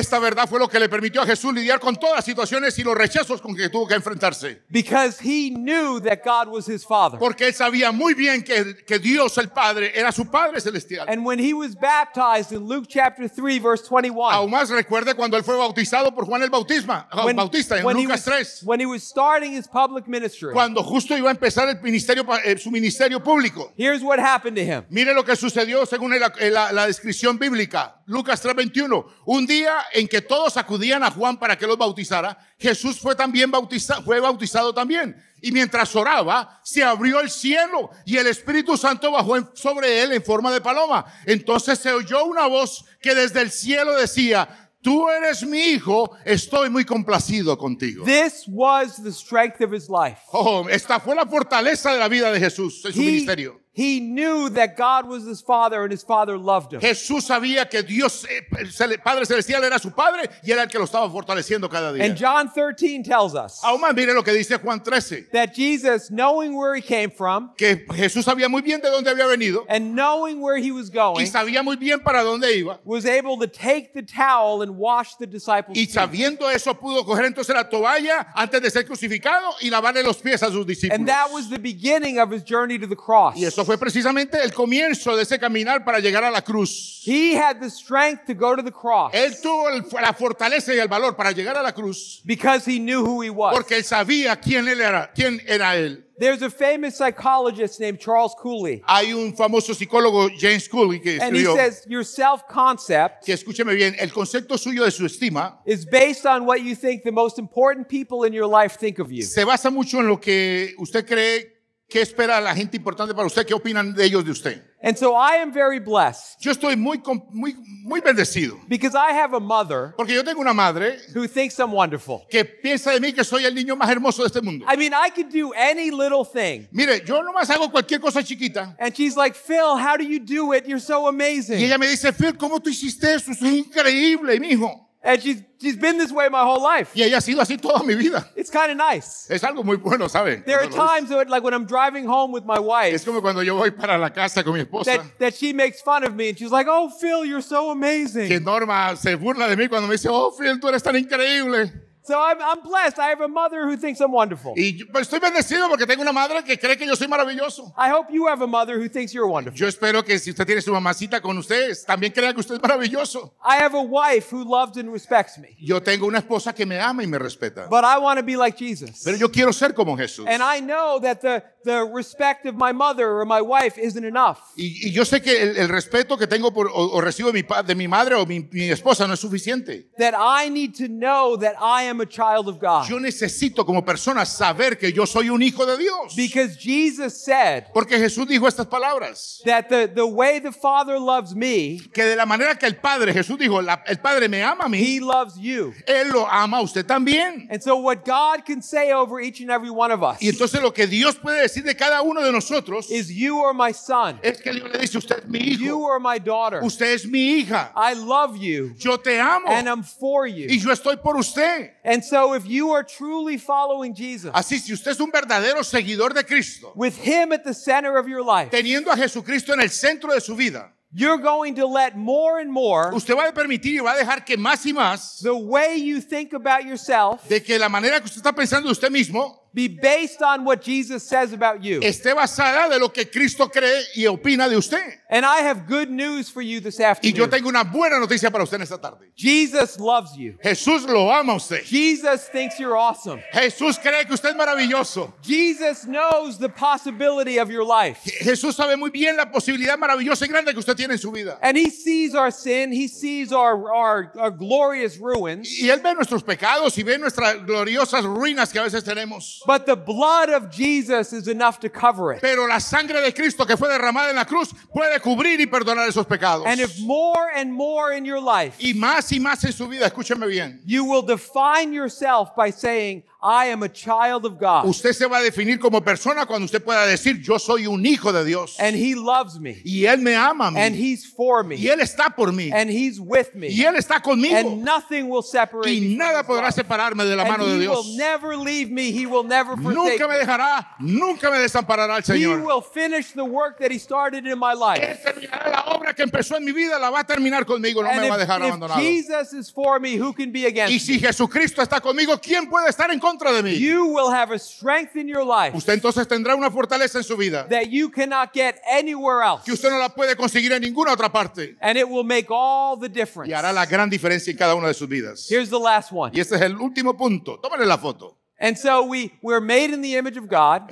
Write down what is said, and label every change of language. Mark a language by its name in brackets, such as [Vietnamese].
[Spanish] Esta verdad fue lo que le permitió a Jesús lidiar con todas las situaciones y los rechazos con que tuvo que enfrentarse. [English] Because he knew that God was his father. [Spanish] Porque él sabía muy bien que Dios el Padre era su Padre celestial. [English] And when he was baptized in Luke chapter 3, verse 21. [Spanish] Aún más recuerde cuando él fue bautizado por Juan el Bautista, en Lucas 3. [English] When he was starting his public ministry. [Spanish] Cuando justo iba a empezar el ministerio, su ministerio público. [English] Here's what happened to him. [Spanish] Mire lo que sucedió según la descripción bíblica. Lucas 3:21. Un día en que todos acudían a Juan para que los bautizara, Jesús fue bautizado también. Y mientras oraba, se abrió el cielo y el Espíritu Santo bajó sobre él en forma de paloma. Entonces se oyó una voz que desde el cielo decía, tú eres mi hijo, estoy muy complacido contigo. [English] This was the strength of his life. [Spanish] Oh, esta fue la fortaleza de la vida de Jesús en su ministerio. [English] He knew that God was his father and his father loved him. [Spanish] Jesús sabía que Dios, el Padre Celestial, era su padre y era el que lo estaba fortaleciendo cada día. [English] And John 13 tells us. [Spanish] Aún más, mire lo que dice Juan 13. [English] That Jesus, knowing where he came from. [Spanish] Que Jesús sabía muy bien de dónde había venido. [English] And knowing where he was going. [Spanish] Y sabía muy bien para dónde iba. [English] Was able to take the towel and wash the disciples' feet. [Spanish] Y sabiendo eso, pudo coger entonces la toalla antes de ser crucificado y lavarle los pies a sus discípulos. [English] And that was the beginning of his journey to the cross. [Spanish] Y eso fue precisamente el comienzo de ese caminar para llegar a la cruz. [English] He had the strength to go to the cross. [Spanish] Él tuvo la fortaleza y el valor para llegar a la cruz. [English] Because he knew who he was. [Spanish] Porque él sabía quién era él. [English] There's a famous psychologist named Charles Cooley. [Spanish] Hay un famoso psicólogo, James Cooley, que escribió. [English] And he says, your self-concept, [Spanish] que escúcheme bien, el concepto suyo de su estima, [English] is based on what you think the most important people in your life think of you. [Spanish] Se basa mucho en lo que usted cree. ¿Qué espera la gente importante para usted? ¿Qué opinan de ellos de usted? [English] And so I am very blessed. [Spanish] Yo estoy muy, muy, muy bendecido. [English] Because I have a mother. [Spanish] Porque yo tengo una madre. [English] Who thinks I'm wonderful. [Spanish] Que piensa de mí que soy el niño más hermoso de este mundo. [English] I mean, I could do any little thing. [Spanish] Mire, yo nomás hago cualquier cosa chiquita. [English] And she's like, Phil, how do you do it? You're so amazing. [Spanish] Y ella me dice, Phil, ¿cómo tú hiciste eso? Es increíble, mijo. [English] And she's been this way my whole life. [Spanish] Y ella ha sido así toda mi vida. [English] It's kind of nice. [Spanish] Es algo muy bueno, ¿sabe? [English] There are times that, like when I'm driving home with my wife. [Spanish] Es como cuando yo voy para la casa con mi esposa. [English] That she makes fun of me and she's like, "Oh, Phil, you're so amazing." [Spanish] Que Norma se burla de mí cuando me dice, "Oh, Phil, tú eres tan increíble." [English] So I'm blessed. I have a mother who thinks I'm wonderful. [Spanish] Y estoy bendecido porque tengo una madre que cree que yo soy maravilloso. [English] I hope you have a mother who thinks you're wonderful. [Spanish] Yo espero que si usted tiene su mamacita con ustedes, también crea que usted es maravilloso. [English] I have a wife who loves and respects me. [Spanish] Yo tengo una esposa que me ama y me respeta. [English] But I want to be like Jesus. [Spanish] Pero yo quiero ser como Jesús. [English] And I know that the respect of my mother or my wife isn't enough. [Spanish] Y yo sé que el respeto que tengo por o recibo de mi madre o mi esposa no es suficiente. [English] That I need to know that I am a child of God. [Spanish] Yo necesito como persona saber que yo soy un hijo de Dios. [English] Because Jesus said. [Spanish] Porque Jesús dijo estas palabras. [English] That the way the Father loves me. [Spanish] Que de la manera que el Padre, Jesús dijo, el Padre me ama a mí. [English] He loves you. [Spanish] Él lo ama a usted también. [English] And so what God can say over each and every one of us. [Spanish] Y entonces lo que Dios puede decir de cada uno de nosotros [English] is you are my son. [Spanish] Es que Dios le dice, usted es mi hijo. [English] You are my daughter. [Spanish] Usted es mi hija. [English] I love you. [Spanish] Yo te amo. [English] And I'm for you. [Spanish] Y yo estoy por usted. [English] And so if you are truly following Jesus, [Spanish] así, si usted es un verdadero seguidor de Cristo, [English] with him at the center of your life, [Spanish] teniendo a Jesucristo en el centro de su vida, [English] you're going to let more and more, [Spanish] usted va a permitir y va a dejar que más y más, [English] the way you think about yourself, [Spanish] de que la manera que usted está pensando de usted mismo, [English] Be based on what Jesus says about you. [Spanish] Esté basada de lo que Cristo cree y opina de usted. [English] And I have good news for you this afternoon. [Spanish] Y yo tengo una buena noticia para usted en esta tarde. [English] Jesus loves you. [Spanish] Jesús lo ama a usted. [English] Jesus thinks you're awesome. [Spanish] Jesús cree que usted es maravilloso. [English] Jesus knows the possibility of your life. [Spanish] Jesús sabe muy bien la posibilidad maravillosa y grande que usted tiene en su vida. [English] And he sees our sin, he sees our glorious ruins. [Spanish] Y él ve nuestros pecados y ve nuestras gloriosas ruinas que a veces tenemos. [English] But the blood of Jesus is enough to cover it. [Spanish] Pero la sangre de Cristo que fue derramada en la cruz puede cubrir y perdonar esos pecados. [English] And if more and more in your life, [Spanish] y más en su vida, escúcheme bien, [English] you will define yourself by saying, I am a child of God. [Spanish] Usted se va a definir como persona cuando usted pueda decir, yo soy un hijo de Dios. [English] And he loves me. [Spanish] Y él me ama a mí. [English] And he's for me. [Spanish] Y él está por mí. [English] And he's with me. [Spanish] Y él está conmigo. [English] And nothing will separate [Spanish] y [English] me. [Spanish] Y nada podrá separarme de la mano de Dios. [English] And he will never leave me. He will never forsake me. [Spanish] Nunca me dejará. Nunca me desamparará el Señor. [English] He will finish the work that he started in my life. [Spanish] Él terminará la obra que empezó en mi vida, la va a terminar conmigo, no [English] and me if, [Spanish] va a dejar abandonado. [English] If Jesus is for me, who can be against me? [Spanish] Y si Jesucristo está conmigo, ¿quién puede estar en contra? [English] You will have a strength in your life. [Spanish] Usted entonces tendrá una fortaleza en su vida. [English] That you cannot get anywhere else. [Spanish] Que usted no la puede conseguir en ninguna otra parte. [English] And it will make all the difference. [Spanish] Y hará la gran diferencia en cada una de sus vidas. [English] Here's the last one. [Spanish] Y este es el último punto. Tómale la foto. [English] And so we're made in the image of God.